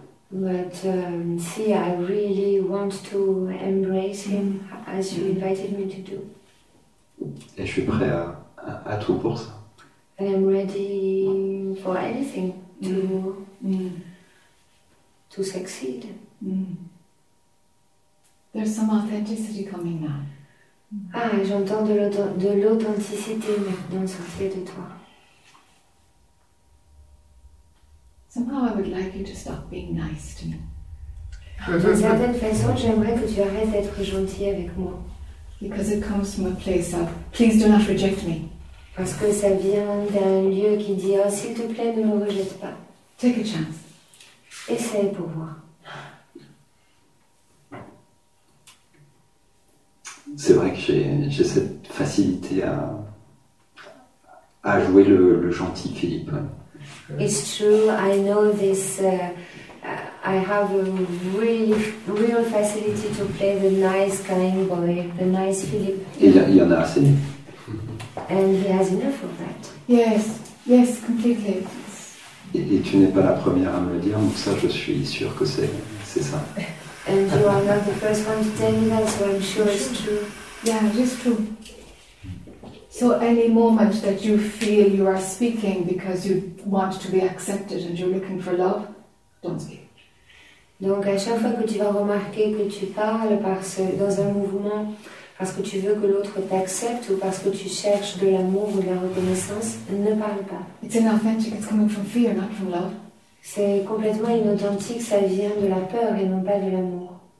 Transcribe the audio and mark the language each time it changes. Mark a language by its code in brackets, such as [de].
[en] But see, I really want to embrace him as you invited me to do. [fr] Et je suis prêt à tout pour ça. [en] And I'm ready for anything to succeed. There's some authenticity coming now. [fr] Ah, j'entends de l'authenticité dans ce qui est de toi. [en] Somehow I would like you to stop being nice to me. [fr] D'une certaine façon, j'aimerais que tu arrêtes d'être gentil avec moi. [en] Because it comes from a place of, please do not reject me. [fr] Parce que ça vient d'un lieu qui dit, oh, s'il te plaît, ne me rejette pas. [en] Take a chance. [fr] Essaye pour voir. C'est vrai que j'ai cette facilité à jouer le gentil Philippe. [en] It's true, I know this. I have a really, real facility to play the nice, kind boy, the nice Philippe. [fr] Et il y en a assez. [en] And he has enough of that. Yes, yes, completely. [fr] Et tu n'es pas la première à me le dire, donc ça, je suis sûr que c'est ça. [en] And you are not the first one to tell me that, so I'm sure it's true. Yeah, it's true. So any moment that you feel you are speaking because you want to be accepted and you're looking for love, don't speak. [fr] Donc à chaque fois que tu vas remarquer que tu parles parce, dans un mouvement parce que tu veux que l'autre t'accepte ou parce que tu cherches de l'amour ou de la reconnaissance, ne parle pas. [en] It's inauthentic, it's coming from fear, not from love. [fr] C'est complètement inauthentique, ça vient de la peur et non pas de l'amour.